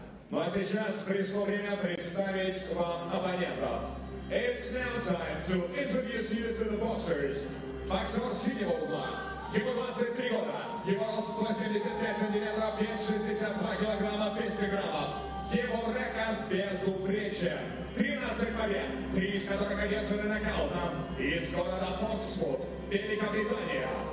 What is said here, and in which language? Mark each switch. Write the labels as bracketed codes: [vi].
[ru] Но сейчас пришло время представить вам оппонентов. [en] It's now time to introduce you to the boxers. [ru] Боксер синего угла. Ему 23 года. Его рост 175 сантиметров, вес 62 килограмма, 300 граммов. Его рекорд безупречен. 13 побед, 3 из которых одержаны нокаутом. Из города Портсмут, Великобритания.